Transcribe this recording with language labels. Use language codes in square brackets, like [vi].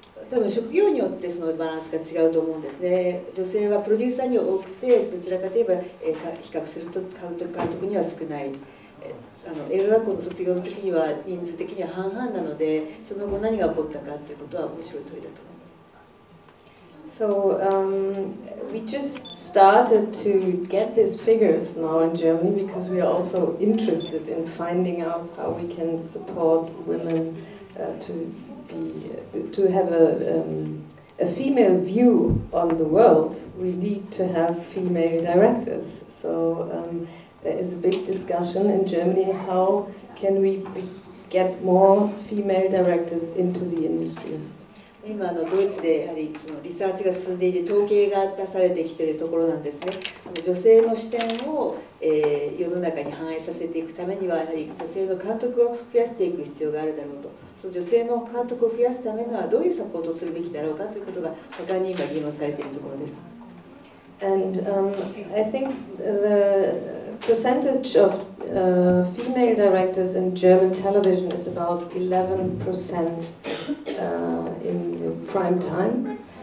[ja] 多分職業によってそのバランスが違うと思うんですね。女性はプロデューサーに多くて、どちらかといえば比較すると監督には少ない。映画学校の卒業の時には人数的には半々なので、その後何が起こったかということは面白い問いだと思います。 [en] So、we just started to get these figures now in Germany because we are also interested in finding out how we can support women to have a female view on the world. We need to have female directors. So there is a big discussion in Germany, how can we get more female directors into the industry. [ja] 今ドイツでやはりそのリサーチが進んでいて、統計が出されてきているところなんですね。女性の視点を、世の中に反映させていくためには、やはり女性の監督を増やしていく必要があるだろうと。その女性の監督を増やすためにはどういうサポートをするべきだろうかということが他に今議論されているところです。 [en] And、I think the percentage of、female directors in German television is about 11% in prime time.